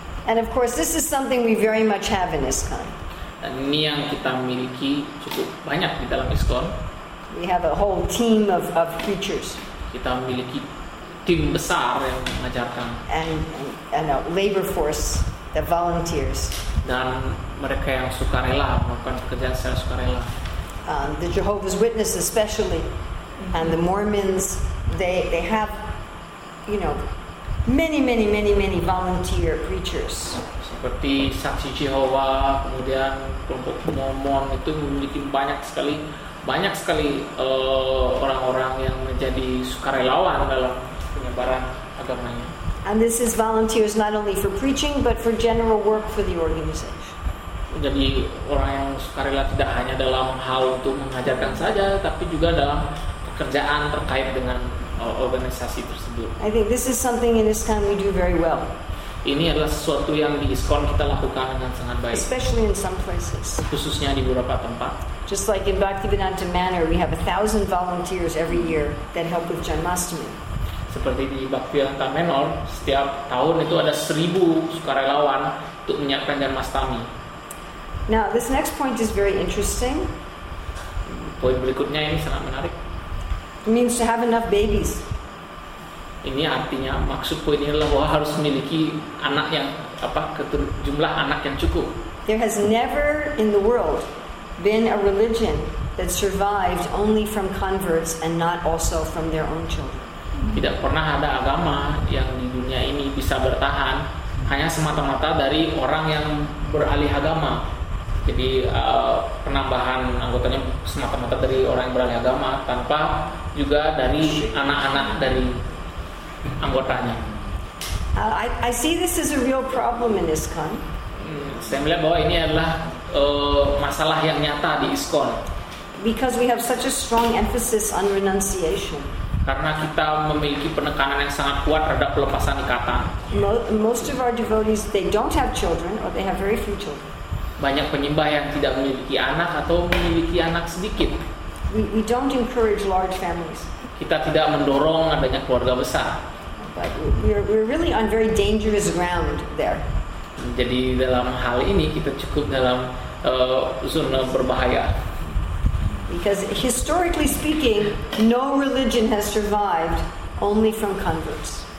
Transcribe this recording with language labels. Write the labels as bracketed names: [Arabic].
[English] And of course, this is something we very much have in ISKCON. [Indonesian] Dan ini yang kita miliki cukup banyak di dalam ISKCON. [English] We have a whole team of preachers. [Indonesian] Kita memiliki tim besar yang mengajarkan. [English] And a labor force that volunteers. [Indonesian] Dan mereka yang sukarela melakukan pekerjaan secara sukarela. [English] The Jehovah's Witnesses especially. And the Mormons, they have, you know, many, many, many, many volunteer preachers. [Indonesian] Seperti Saksi Jehovah, kemudian kelompok Mormon itu memiliki banyak sekali orang-orang yang menjadi sukarelawan dalam penyebaran agamanya. [English] And this is volunteers not only for preaching, but for general work for the organization. [Indonesian] Jadi orang yang sukarela tidak hanya dalam hal untuk mengajarkan saja, tapi juga dalam kerjaan terkait dengan organisasi tersebut. [English] I think this is something in ISKCON we do very well. [Indonesian] Ini adalah sesuatu yang di ISKCON kita lakukan dengan sangat baik. [English] Especially in some places. [Indonesian] Khususnya di beberapa tempat. [English] Just like in Bhaktivedanta Manor, we have 1,000 volunteers every year that help with Janmashtami. [Indonesian] Seperti di Bhaktivedanta Manor, setiap tahun itu ada 1,000 sukarelawan untuk menyiapkan Janmashtami. [English] Now, this next point is very interesting. [Indonesian] Poin berikutnya ini sangat menarik. [English] It means to have enough babies. [Indonesian] Ini artinya maksud poin ini adalah bahwa harus memiliki anak yang jumlah anak yang cukup. [English] There has never in the world been a religion that survived only from converts and not also from their own children. [Indonesian] Tidak pernah ada agama yang di dunia ini bisa bertahan hanya semata-mata dari orang yang beralih agama. Jadi penambahan anggotanya semata-mata dari orang yang beralih agama tanpa juga dari anak-anak dari anggotanya. [English] I see this as a real problem in ISKCON. [Indonesian] Saya melihat bahwa ini adalah masalah yang nyata di ISKCON. [English] Because we have such a strong emphasis on renunciation. [Indonesian] Karena kita memiliki penekanan yang sangat kuat terhadap pelepasan ikatan. [English] Most of our devotees, they don't have children or they have very few children. [Indonesian] Banyak penyembah yang tidak memiliki anak atau memiliki anak sedikit. [English] We don't encourage large families. [Indonesian] Kita tidak mendorong adanya keluarga besar. [English] But we're really on very dangerous ground there. [Indonesian] Jadi dalam hal ini kita cukup dalam zona berbahaya. [English] Because historically speaking, no religion has survived only from converts.